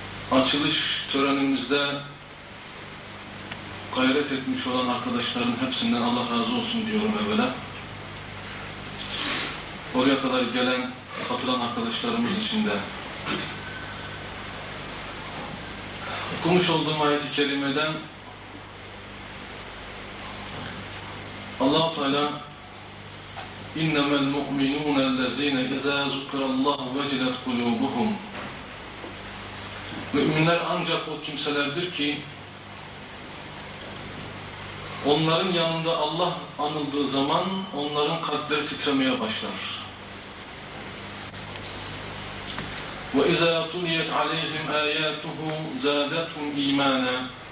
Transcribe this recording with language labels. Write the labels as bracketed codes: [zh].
[tr] Açılış törenimizde gayret etmiş olan arkadaşların hepsinden Allah razı olsun diyorum evvela. Oraya kadar gelen, katılan arkadaşlarımız için de. Okumuş olduğum ayet-i kerimeden Allah-u Teala [ar] اِنَّمَا الْمُؤْمِنُونَ الَّذ۪ينَ اِذَا ذُكْرَ اللّٰهُ وَجِلَتْ قُلُوبُهُمْ. [tr] Müminler ancak o kimselerdir ki onların yanında Allah anıldığı zaman onların kalpleri titremeye başlar. [ar] وَإِذَا تُلِيَتْ عَلَيْهِمْ آيَاتُهُ زَادَتْهُمْ اِيمَانًا.